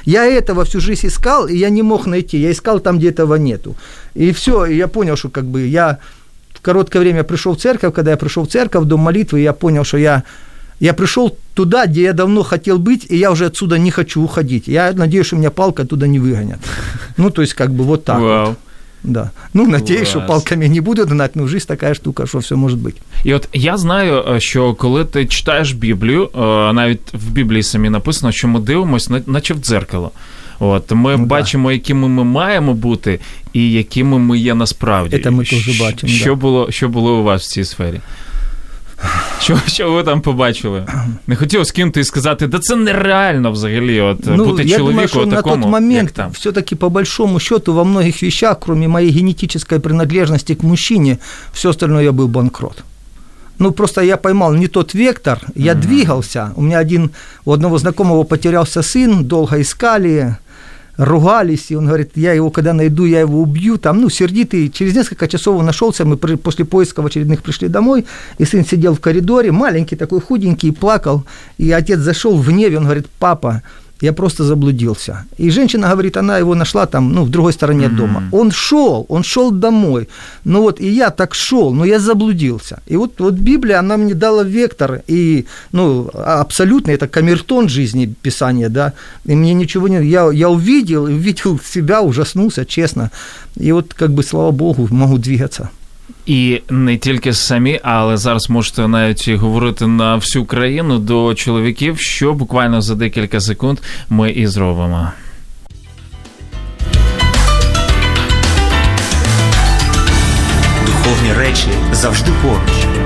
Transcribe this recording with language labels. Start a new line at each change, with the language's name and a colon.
Russian: Я этого всю жизнь искал, и я не мог найти, я искал там, где этого нету. И все, я понял, что как бы я в короткое время пришел в церковь, когда я пришел в церковь, в дом молитвы, я понял, что я пришел туда, где я давно хотел быть, и я уже отсюда не хочу уходить. Я надеюсь, что меня палка туда не выгонят. Ну, то есть как бы вот так вау вот. Да.
Ukrainian: Ну, надеюсь, що палками не буду гнати, ну, жизнь така штука, що все може бути. І от я знаю, що коли ти читаєш Біблію, навіть в Біблії самі написано, що ми дивимося, наче в дзеркало. От, ми, ну, бачимо, да, якими ми маємо бути і якими ми є насправді. Це ми теж бачимо, що, да, було, що було у вас в цій сфері? Що ви там побачили? Не хотів скинути і сказати, да це нереально взагалі, от, ну, бути чоловіком такому.
Russian: Ну,
Ukrainian: я думаю, що на той момент,
Russian: все-таки, по большому счету, во многих вещах, кроме моей генетической принадлежности к мужчине, все остальное я был банкрот. Ну, просто я поймал не тот вектор, я двигался. У меня один, у одного знакомого потерялся сын, долго искали, ругались, и он говорит, я его когда найду, я его убью, там, ну, сердитый. Через несколько часов он нашелся, мы после поисков очередных пришли домой, и сын сидел в коридоре, маленький такой, худенький, плакал, и отец зашел в небе, он говорит, папа, я просто заблудился. И женщина говорит, она его нашла там, ну, в другой стороне дома. Он шел домой, ну вот, и я так шел, но я заблудился. И вот, вот Библия, она мне дала вектор, и, ну, абсолютно, это камертон жизни Писания, да, и мне ничего не... Я увидел себя, ужаснулся, честно, и вот, как бы, слава Богу, могу двигаться.
Ukrainian: І не тільки самі, але зараз можете навіть і говорити на всю країну до чоловіків, що буквально за декілька секунд ми і зробимо. Духовні речі завжди поруч.